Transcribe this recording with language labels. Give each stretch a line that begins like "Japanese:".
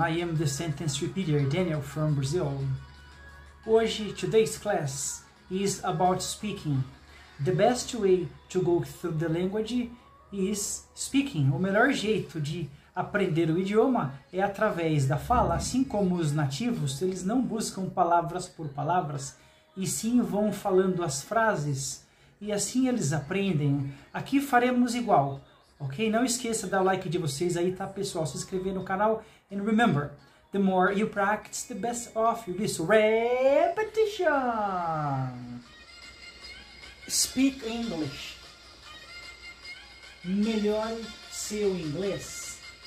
English: I am the sentence repeater Daniel from Brazil. Hoje, today's class is about speaking. The best way to go through the language is speaking.
Portuguese: O melhor jeito de aprender o idioma é através da fala. Assim como os nativos, eles não buscam palavras por palavras, e sim vão falando as frases, e assim eles aprendem. Aqui faremos igual. Ok? Não esqueça de dar like de vocês aí, tá, pessoal? Se inscrever no canal.
English: And remember, the more you practice, the best off you'll be. So, repetition! Speak English.
Portuguese: Melhore seu inglês.